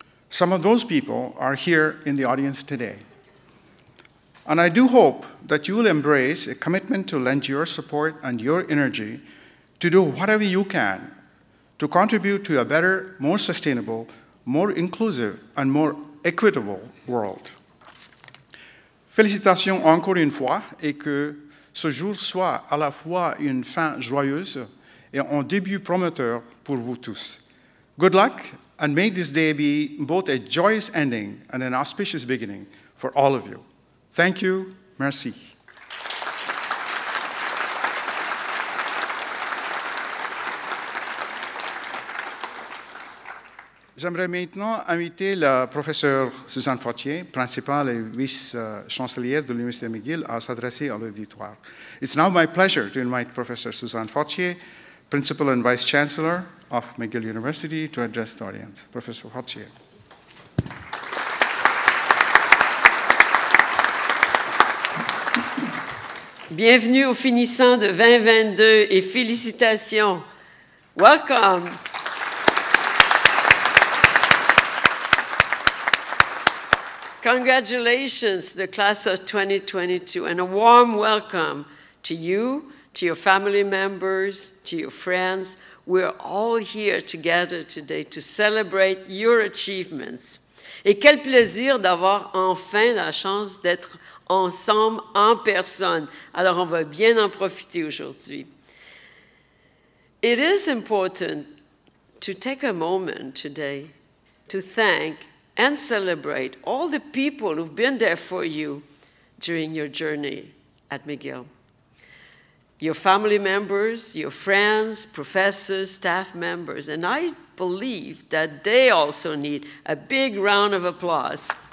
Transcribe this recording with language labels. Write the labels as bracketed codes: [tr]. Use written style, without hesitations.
[en] Some of those people are here in the audience today. And I do hope that you will embrace a commitment to lend your support and your energy to do whatever you can to contribute to a better, more sustainable, more inclusive, and more equitable world. [fr] Félicitations encore une fois et que ce jour soit à la fois une fin joyeuse et un début prometteur pour vous tous. [en] Good luck and may this day be both a joyous ending and an auspicious beginning for all of you. Thank you. [fr] Merci. J'aimerais maintenant inviter la professeure Suzanne Fortier, principale et vice-chancelière de l'Université McGill, à s'adresser à l'auditoire. [en] It's now my pleasure to invite Professor Suzanne Fortier, principal and vice-chancellor of McGill University, to address the audience. Professor Fortier. [fr] Bienvenue aux finissants de 2022 et félicitations. [en] Welcome. Congratulations, the class of 2022, and a warm welcome to you, to your family members, to your friends. We're all here together today to celebrate your achievements. [fr] Et quel plaisir d'avoir enfin la chance d'être ensemble en personne. Alors, on va bien en profiter aujourd'hui. [en] It is important to take a moment today to thank and celebrate all the people who've been there for you during your journey at McGill. Your family members, your friends, professors, staff members, and I believe that they also need a big round of applause.